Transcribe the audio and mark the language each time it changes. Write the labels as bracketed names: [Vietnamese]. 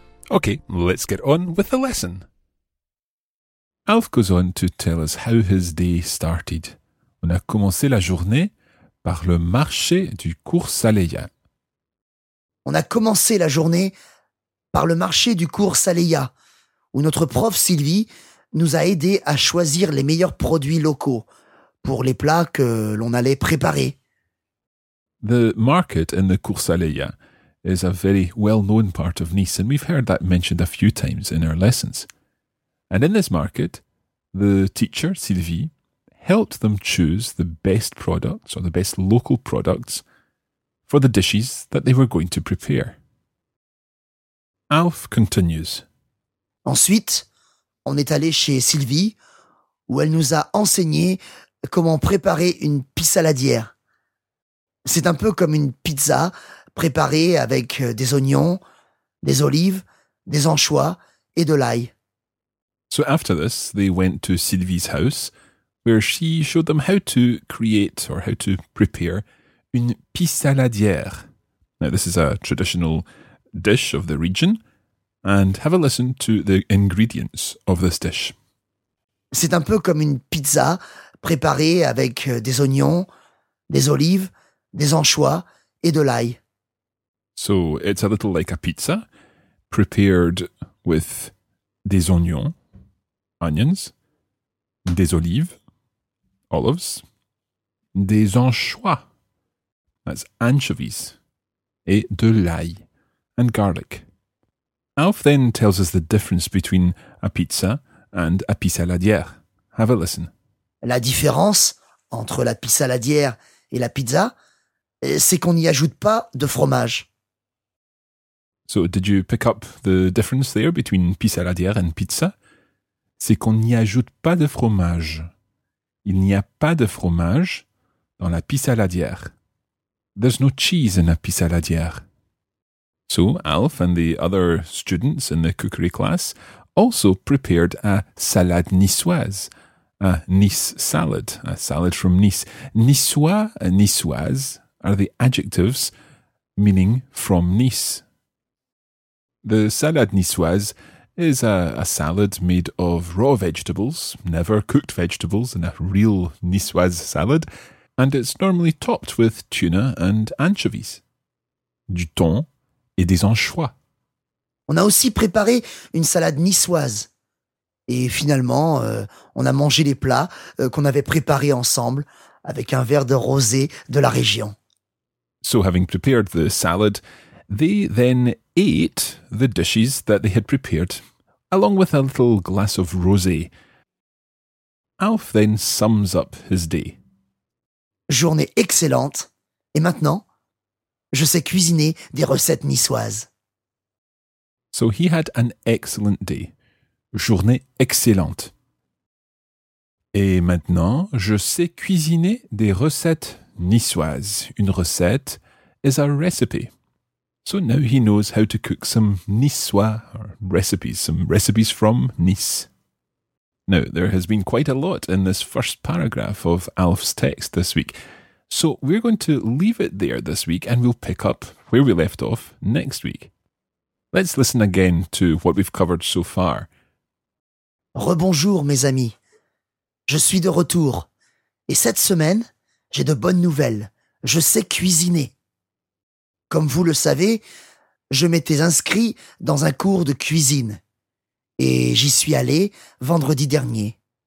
[English] Okay, let's get on with the lesson. Alf goes on to tell us how his day started. [French] On a commencé la journée par le marché du cours Saleya. On a commencé la journée par le marché du cours Saleya, où notre prof Sylvie nous a aidés à choisir les meilleurs produits locaux pour les plats que l'on allait préparer. [English] The market in the cours Saleya is a very well-known part of Nice, and we've heard that mentioned a few times in our lessons. And in this market, the teacher, Sylvie, helped them choose the best products, or the best local products, for the dishes that they were going to prepare. Alf continues. [French] Ensuite, on est allé chez Sylvie, où elle nous a enseigné comment préparer une pissaladière. C'est un peu comme une pizza préparée avec des oignons, des olives, des anchois et de l'ail. [English] So after this, they went to Sylvie's house, where she showed them how to create or how to prepare une pissaladière. Now, this is a traditional dish of the region, and have a listen to the ingredients of this dish. [French] C'est un peu comme une pizza préparée avec des oignons, des olives, des anchois et de l'ail. [English] So, it's a little like a pizza prepared with [French] des oignons, [English] onions, [French] des olives, [English] olives, [French] des anchois, [English] that's anchovies, [French] et de l'ail, [English] and garlic. Alf then tells us the difference between a pizza and a pissaladière. Have a listen. [French] La différence entre la pissaladière et la pizza, c'est qu'on n'y ajoute pas de fromage. [English] So did you pick up the difference there between pissaladière and pizza? [French] C'est qu'on n'y ajoute pas de fromage. Il n'y a pas de fromage dans la pissaladière. [English] There's no cheese in a pissaladière. So Alf and the other students in the cookery class also prepared a salade niçoise, a Nice salad, a salad from Nice. Niçois and niçoise are the adjectives meaning from Nice. The salade niçoise is a salad made of raw vegetables, never cooked vegetables in a real niçoise salad, and it's normally topped with tuna and anchovies, [French] du thon et des anchois. On a aussi préparé une salade niçoise. Et finalement, on a mangé les plats qu'on avait préparés ensemble avec un verre de rosé de la région. [English] So having prepared the salad, they then ate the dishes that they had prepared, along with a little glass of rosé. Alf then sums up his day. [French] Journée excellente. Et maintenant, je sais cuisiner des recettes niçoises. [English] So he had an excellent day. [French] Journée excellente. Et maintenant, je sais cuisiner des recettes niçoises. Une recette [English] is a recipe. So now he knows how to cook some niçois or recipes, some recipes from Nice. Now, there has been quite a lot in this first paragraph of Alf's text this week. So we're going to leave it there this week and we'll pick up where we left off next week. Let's listen again to what we've covered so far. [French] Rebonjour, mes amis. Je suis de retour. Et cette semaine, j'ai de bonnes nouvelles. Je sais cuisiner. Comme vous le savez, je m'étais inscrit dans un cours de cuisine et j'y suis allé vendredi dernier.